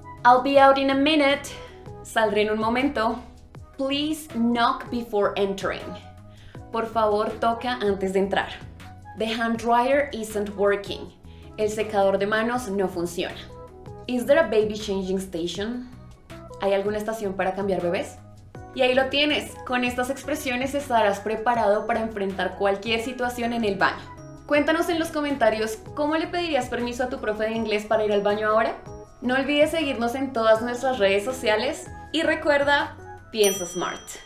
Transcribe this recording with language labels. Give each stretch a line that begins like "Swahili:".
English: I'll be out in a minute.
Spanish: Saldré en un momento.
English: Please knock before entering.
Spanish: Por favor, toca antes de entrar.
English: The hand dryer isn't working.
Spanish: El secador de manos no funciona.
English: Is there a baby changing station?
Spanish: ¿Hay alguna estación para cambiar bebés? Y ahí lo tienes. Con estas expresiones estarás preparado para enfrentar cualquier situación en el baño. Cuéntanos en los comentarios cómo le pedirías permiso a tu profe de inglés para ir al baño ahora. No olvides seguirnos en todas nuestras redes sociales y recuerda, piensa smart.